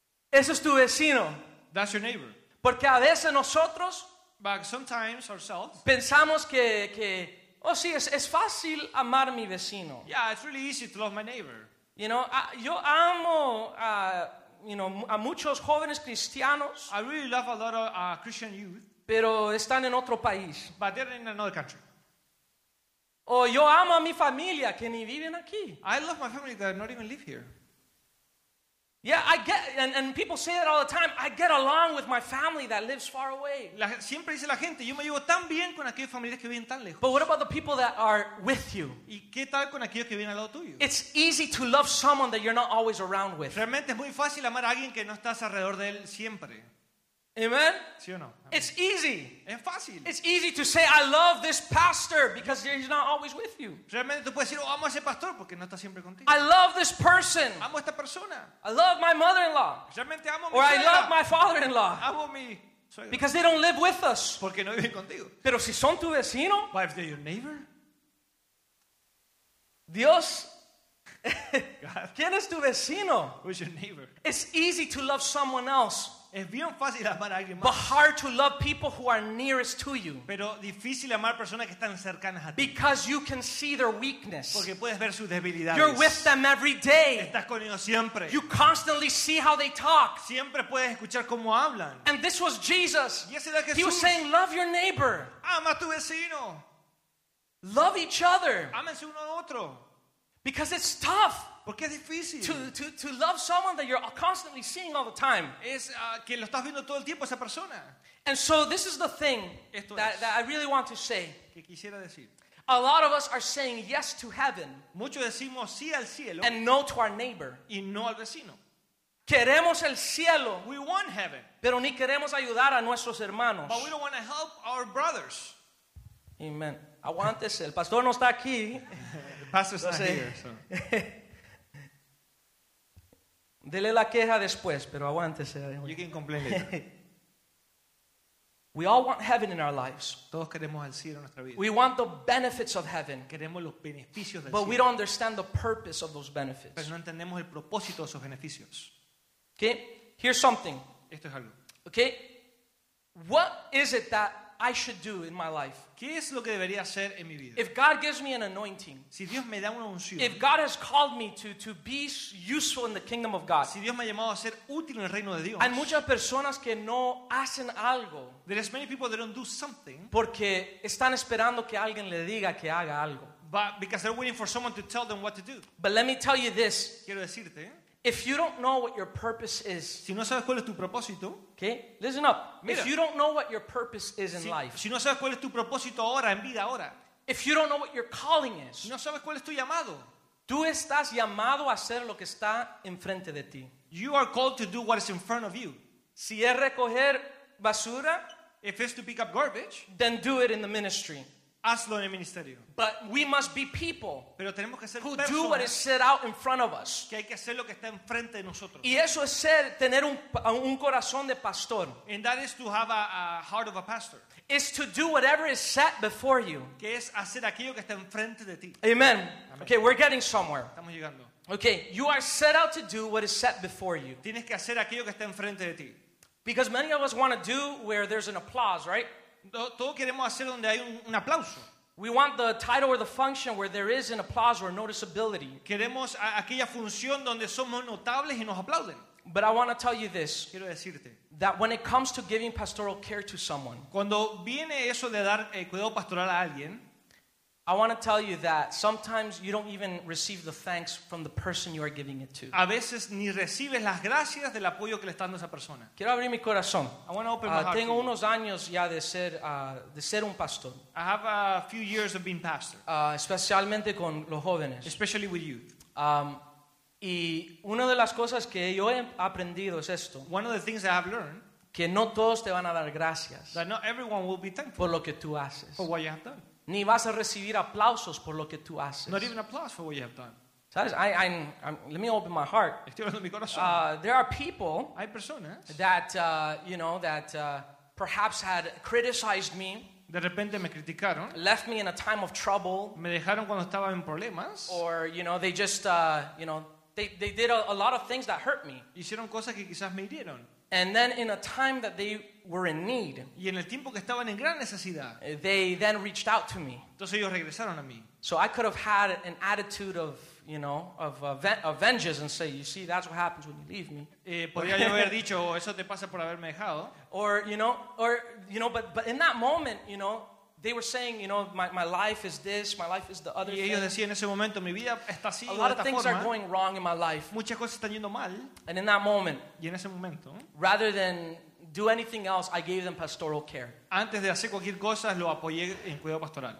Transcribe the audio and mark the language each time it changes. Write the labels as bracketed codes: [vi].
[es] Eso es tu vecino. [en] That's your neighbor. [es] Porque a veces nosotros, [en] but sometimes ourselves, [es] pensamos que oh sí, es fácil amar a mi vecino. [en] Yeah, it's really easy to love my neighbor. You know, [es] yo amo a muchos jóvenes cristianos. [en] I really love a lot of Christian youth. [es] Pero están en otro país. [en] But they're in another country. [es] O yo amo a mi familia que ni viven aquí. [en] I love my family that not even live here. Yeah, I get, and people say that all the time. I get along with my family that lives far away. [es] Siempre dice la gente, yo me llevo tan bien con aquellos familiares que viven tan lejos. [en] But what about the people that are with you? [es] ¿Y qué tal con aquellos que viven al lado tuyo? [en] It's easy to love someone that you're not always around with. [es] Realmente es muy fácil amar a alguien que no estás alrededor de él siempre. Amen. ¿Sí o no? [en] It's easy. [es] Es fácil. [en] It's easy to say I love this pastor because he's not always with you. [es] Realmente tú puedes decir amo a ese pastor porque no está siempre contigo. [en] I love this person. [es] Amo a esta persona. [en] I love my mother-in-law. [es] Realmente amo a mi suegra. [en] Or I love my father-in-law. [es] Amo a mi suegra. [en] Because they don't live with us. [es] Porque no viven contigo. Pero si son tu vecino. [en] But if they're your neighbor. [es] Dios. [en] God. [es] ¿Quién es tu vecino? [en] Who's your neighbor? It's easy to love someone else. [es] Es bien fácil amar a alguien más. [en] But hard to love people who are nearest to you. [es] Pero difícil amar personas que están cercanas a ti. [en] Because you can see their weakness. [es] Porque puedes ver sus debilidades. [en] You're with them every day. [es] Estás con ellos siempre. [en] You constantly see how they talk. [es] Siempre puedes escuchar cómo hablan. [en] And this was Jesus. [es] Y ese era Jesús. [en] He was saying, "Love your neighbor." [es] Ama a tu vecino. [en] Love each other. [es] Ámense uno al otro. [en] Because it's tough. [es] Porque es difícil. [en] To love someone that you're constantly seeing all the time. [es] Es que lo estás viendo todo el tiempo esa persona. [en] And so this is the thing that I really want to say. [es] Que quisiera decir. [en] A lot of us are saying yes to heaven. [es] Muchos decimos sí al cielo. [en] And no to our neighbor. [es] Y no al vecino. Queremos el cielo. [en] We want heaven. [es] Pero ni queremos ayudar a nuestros hermanos. [en] But we don't want to help our brothers. [es] Amen. Aguántese. El pastor no está aquí. [en] Pastor's not here. So. [es] Dele la queja después, pero aguántese. [en] You can complain later. We all want heaven in our lives. [es] Todos queremos el cielo en nuestra vida. [en] We want the benefits of heaven. [es] Queremos los beneficios del [en] but [es] cielo. [en] We don't understand the purpose of those benefits. [es] Pero no entendemos el propósito de esos beneficios. [en] Okay, here's something. [es] Esto es algo. [en] Okay, what is it that I should do in my life? [es] ¿Qué es lo que debería hacer en mi vida? [en] If God gives me an anointing, [es] si Dios me da una unción, [en] if God has called me to be useful in the kingdom of God, [es] si Dios me ha llamado a ser útil en el reino de Dios, hay muchas personas que no hacen algo. [en] There are many people that don't do something [es] porque están esperando que alguien le diga que haga algo. [en] But because they're waiting for someone to tell them what to do. But let me tell you this. [es] Quiero decirte, [en] if you don't know what your purpose is, [es] si no sabes cuál es tu propósito, [en] okay, listen up. [es] Mira, [en] if you don't know what your purpose is in life, [es] si no sabes cuál es tu propósito ahora, en vida ahora, [en] if you don't know what your calling is, [es] si no sabes cuál es tu llamado, tú estás llamado a hacer lo que está enfrente de ti. [en] You are called to do what is in front of you. [es] Si es recoger basura, [en] if it's to pick up garbage, then do it in the ministry. [es] Hazlo en el ministerio. [en] But we must be people [es] pero tenemos que ser [en] who do what is set out in front of us. [es] Que hay que hacer lo que está enfrente de nosotros. Y eso es ser, tener un corazón de pastor. [en] And that is to have a heart of a pastor. It's to do whatever is set before you. [es] Que es hacer aquello que está enfrente de ti. [en] Amen. Amen. Okay, we're getting somewhere. [es] Estamos llegando. [en] Okay, you are set out to do what is set before you. [es] Tienes que hacer aquello que está enfrente de ti. [en] Because many of us want to do where there's an applause, right? [es] Todos queremos hacer donde hay un aplauso. [en] We want the title or the function where there is an applause or noticeability. [es] Queremos aquella función donde somos notables y nos aplauden. [en] But I want to tell you this. [es] Quiero decirte. [en] That when it comes to giving pastoral care to someone. [es] Cuando viene eso de dar cuidado pastoral a alguien. [en] I want to tell you that sometimes you don't even receive the thanks from the person you are giving it to. [es] A veces ni recibes las gracias del apoyo que le estás dando a esa persona. Quiero abrir mi corazón. [en] I want to open my heart. [es] Tengo unos años ya de ser un pastor. [en] I have a few years of being pastor. [es] Especialmente con los jóvenes. [en] Especially with youth. [es] Y una de las cosas que yo he aprendido es esto. [en] One of the things that I've learned. [es] Que no todos te van a dar gracias. [en] That not everyone will be thankful. [es] Por lo que tú haces. [en] For what you have done. [es] Ni vas a recibir aplausos por lo que tú haces. [en] Not even applause for what you have done. [es] ¿Sabes? [en] I'm, let me open my heart. [es] Estoy hablando de mi corazón. [en] There are people. [es] Hay personas. [en] That you know that perhaps had criticized me. [es] De repente me criticaron. [en] Left me in a time of trouble. [es] Me dejaron cuando estaba en problemas. [en] Or you know they just you know they did a lot of things that hurt me. [es] Hicieron cosas que quizás me hirieron. [en] And then in a time that they were in need. [es] Y en el tiempo que estaban en gran necesidad. [en] They then reached out to me. [es] Entonces ellos regresaron a mí. [en] So I could have had an attitude of you know of vengeance and say you see that's what happens when you leave me. [es] Podría yo haber dicho eso te pasa por haberme dejado. [en] Or you know but in that moment you know they were saying you know my life is this, my life is the other [es] thing. Y ellos decían en ese momento mi vida está así. [en] A lot of things are going wrong in my life. [es] Muchas cosas están yendo mal. [en] And in that moment. [es] Y en ese momento. [en] Rather than do anything else, I gave them pastoral care. [es] Antes de hacer cualquier cosa, lo apoyé en cuidado pastoral.